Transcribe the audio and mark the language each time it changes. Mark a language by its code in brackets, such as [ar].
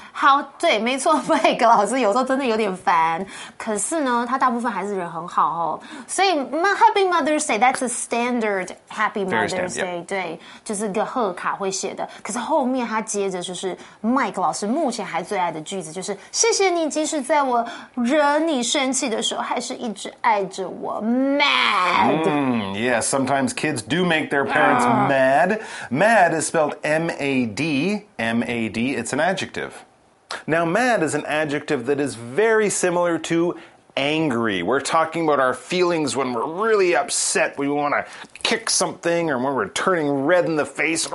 [zh] 好，对，没错，麦格老师有时候真的有点烦，可是呢，他大部分还是人很好哦。所以 [en] Happy Mother's Day, that's a standard Happy Mother's Day. [zh] 对，就是个贺卡会写的。可是后面他接着就是麦格老师目前还最爱的句子，就是谢谢你，即使在我惹你生气的时候，还是一直爱着我 ，mad. [en] Yes, sometimes kids do make their parents mad. Mad is spelled M-A-D, it's an adjective. Now, mad is an adjective that is very similar to angry. We're talking about our feelings when we're really upset, we want to kick something, or when we're turning red in the face.